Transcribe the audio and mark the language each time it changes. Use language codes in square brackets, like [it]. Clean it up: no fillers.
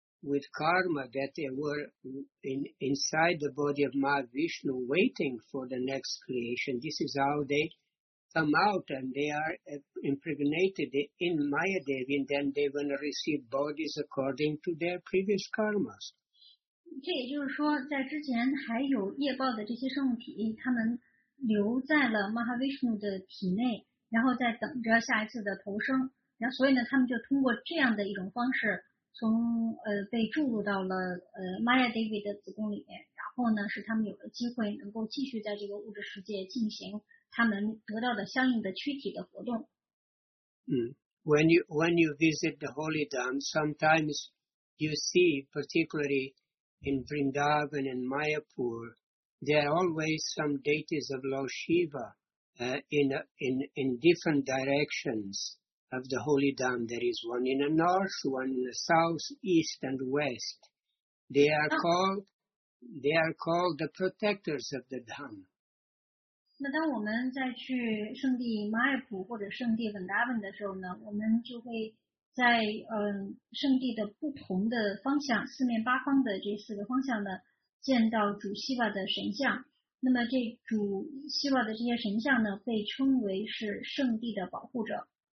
[en] With karma that they were inside the body of Mahavishnu waiting for the next creation. This is how they come out and they are impregnated in Maya Devi and then they will receive bodies according to their previous karmas. [zh] 这也就是说在之前还有业报的这些生物体他们留在了 Mahavishnu 的体内然后再等着下一次的投生然后所以呢他们就通过这样的一种方式从被注入到了Maya Devi 的子宫里面，然后呢，是他们有了机会能够继续在这个物质世界进行他们得到的相应的躯体的活动。 [en] When you visit the holy dam, sometimes you see, particularly in Vrindavan and Mayapur, there are always some deities of Lord Shiva in different directions. Of the holy dam, there is one in the north, one in the south, east, and west. They are called the protectors of the dam. [zh] 那当我们在去圣地马尔普或者圣地文达文的时候呢，我们就会在圣地的不同的方向，四面八方的这四个方向呢，见到主希瓦的神像。那么这主希瓦的这些神像呢，被称为是圣地的保护者。